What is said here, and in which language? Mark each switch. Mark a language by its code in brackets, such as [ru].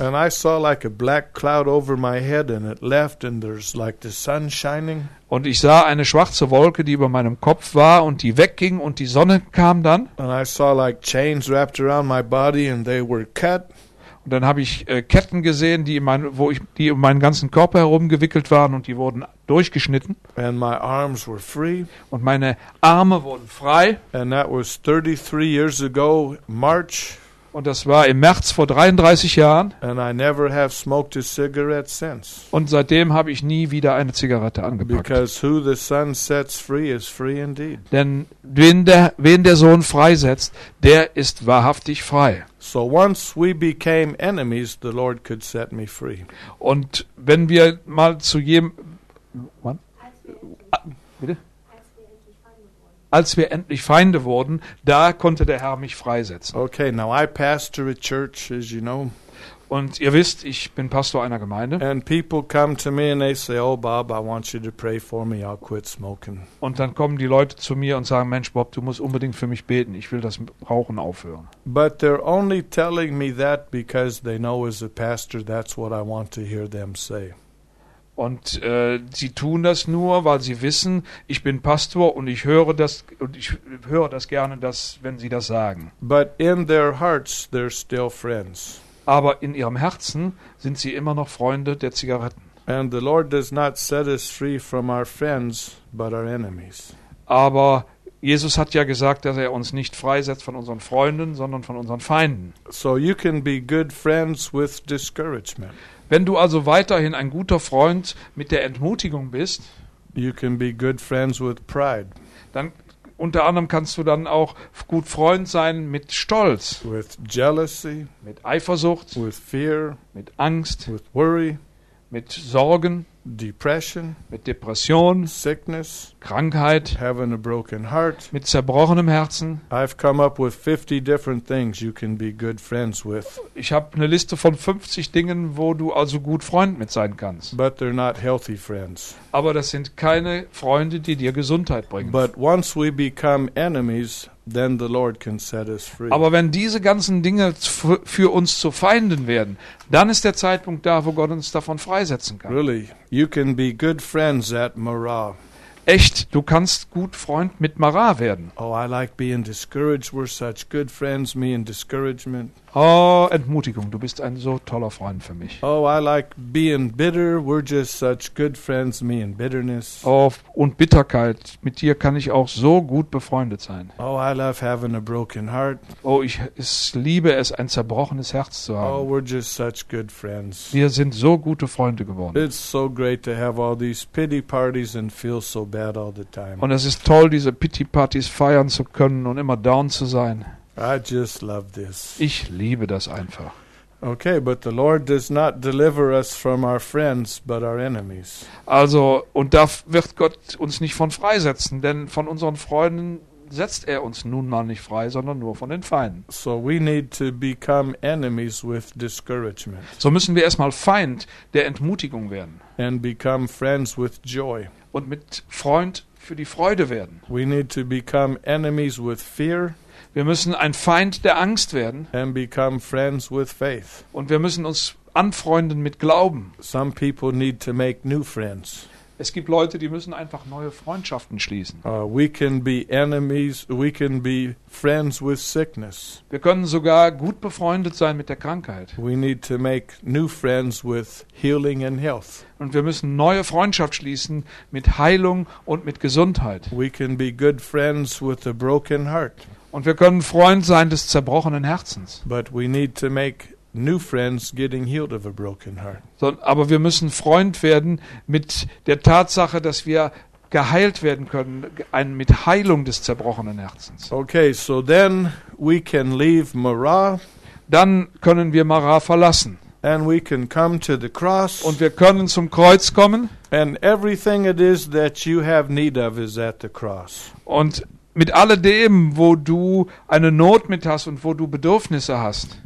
[en] And I saw like a black cloud over my head and it left and there's like the sun shining. [de] Und ich sah eine schwarze Wolke, die über meinem Kopf war und die wegging und die Sonne kam dann. [en] And I saw like chains wrapped around my body and they were cut. [de] Und dann habe ich Ketten gesehen, die um meinen ganzen Körper herum gewickelt waren und die wurden durchgeschnitten. [en] And my arms were free. [de] Und meine Arme wurden frei. [en] And that was 33 years ago, March. [de] Und das war im März vor 33 Jahren. [en] And I never have smoked a cigarette since. [de] Und seitdem habe ich nie wieder eine Zigarette angepackt. [en] Because who the Son sets free is free indeed. [de] Denn wen der Sohn freisetzt, der ist wahrhaftig frei. [en] So once we became enemies, the Lord could set me free. [de] Und wenn wir mal zu als wir endlich Feinde wurden, da konnte der Herr mich freisetzen. [en] Okay, now I pastor a church, as you know. [de] Und ihr wisst, ich bin Pastor einer Gemeinde. [en] And people come to me and they say, "Oh Bob, I want you to pray for me. I'll quit smoking." [de] Und dann kommen die Leute zu mir und sagen, "Mensch Bob, du musst unbedingt für mich beten. Ich will das Rauchen aufhören." [en] But they're only telling me that because they know as a pastor that's what I want to hear them say. [de] Und sie tun das nur, weil sie wissen, ich bin Pastor und ich höre das gerne, dass wenn sie das sagen. [en] But in their hearts they're still friends. [de] Aber in ihrem Herzen sind sie immer noch Freunde der Zigaretten. [en] And the Lord does not set us free from our friends, but our enemies. [de] Aber Jesus hat ja gesagt, dass er uns nicht freisetzt von unseren Freunden, sondern von unseren Feinden. [en] So you can be good friends with discouragement. [de] Wenn du also weiterhin ein guter Freund mit der Entmutigung bist, [en] you can be good friends with pride. [de] Dann unter anderem kannst du dann auch gut Freund sein mit Stolz, [en] with jealousy, [de] mit Eifersucht, [en] with fear, [de] mit Angst, [en] with worry, [de] mit Sorgen, [en] depression, [de] mit Depression, [en] sickness, [de] Krankheit, [en] having a broken heart, [de] mit zerbrochenem Herzen. [en] I've come up with 50 different things you can be good friends with. [de] Ich habe eine Liste von 50 Dingen, wo du also gut Freund mit sein kannst. [en] But they're not healthy friends. [de] Aber das sind keine Freunde, die dir Gesundheit bringen. [en] But once we become enemies, then the Lord can set us free. [de] Aber wenn diese ganzen Dinge für uns zu Feinden werden, dann ist der Zeitpunkt da, wo Gott uns davon freisetzen kann. [en] Really, you can be good friends at Marah. [de] Echt, du kannst gut Freund mit Marah werden. [en] Oh, I like being discouraged. We're such good friends, me and discouragement. [de] Oh, Entmutigung, du bist ein so toller Freund für mich. [en] Oh, I like being bitter. We're just such good friends, me and bitterness. [de] Oh, und Bitterkeit, mit dir kann ich auch so gut befreundet sein. [en] Oh, I love having a broken heart. [de] Oh, ich liebe es, ein zerbrochenes Herz zu haben. [en] Oh, we're just such good friends. [de] Wir sind so gute Freunde geworden. [en] It's so great to have all these pity parties and feel so bad all the time. [de] Und es ist toll, diese [en] pity parties [de] feiern zu können und immer down zu sein. [en] I just love this. [de] Ich liebe das einfach. [en] Okay, but the Lord does not deliver us from our friends, but our enemies. [de] Also, und da wird Gott uns nicht von freisetzen, denn von unseren Freunden setzt er uns nun mal nicht frei, sondern nur von den Feinden. [en] So we need to become enemies with discouragement. [de] So müssen wir erstmal Feind der Entmutigung werden. [en] And become friends with joy. [de] Und mit Freund für die Freude werden. [en] We need to become enemies with fear. [de] Wir müssen ein Feind der Angst werden. [en] And become friends with faith. [de] Und wir müssen uns anfreunden mit Glauben. [en] Some people need to make new friends. [de] Es gibt Leute, die müssen einfach neue Freundschaften schließen. [en] We can be enemies, we can be friends with sickness. [de] Wir können sogar gut befreundet sein mit der Krankheit. [en] We need to make new friends with healing and health. [de] Und wir müssen neue Freundschaft schließen mit Heilung und mit Gesundheit. [en] We can be good friends with a broken heart. [de] Und wir können Freund sein des zerbrochenen Herzens. [en] But we need to make new friends getting healed of a broken heart. [de] So, aber wir müssen Freund werden mit der Tatsache, dass wir geheilt werden können, mit Heilung des zerbrochenen Herzens. [en] Okay, so then we can leave Marah. [de] Dann können wir Marah verlassen. [en] And we can come to the cross. [de] Und wir können zum Kreuz kommen. [en] And everything it is that you have need of is at the cross. [de] Und mit alledem, wo du eine Not mit hast und wo du Bedürfnisse hast.